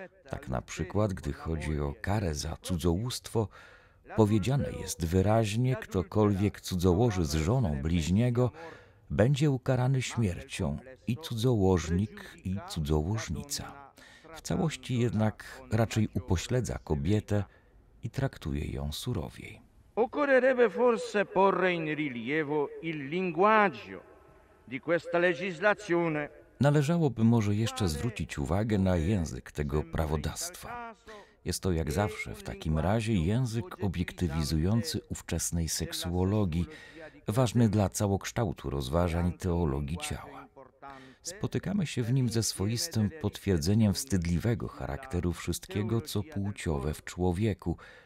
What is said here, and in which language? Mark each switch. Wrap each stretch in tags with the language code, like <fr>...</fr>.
<pl>Tak na przykład, gdy chodzi o karę za cudzołóstwo, powiedziane jest wyraźnie, ktokolwiek cudzołoży z żoną bliźniego, będzie ukarany śmiercią i cudzołożnik, i cudzołożnica. W całości jednak raczej upośledza kobietę i traktuje ją surowiej.</pl> <it>Occorrerebbe forse porre in rilievo il linguaggio di questa legislazione.</it> <pl>Należałoby może jeszcze zwrócić uwagę na język tego prawodawstwa. Jest to jak zawsze w takim razie język obiektywizujący ówczesnej seksuologii, ważny dla całokształtu rozważań teologii ciała. Spotykamy się w nim ze swoistym potwierdzeniem wstydliwego charakteru wszystkiego, co płciowe w człowieku.</pl>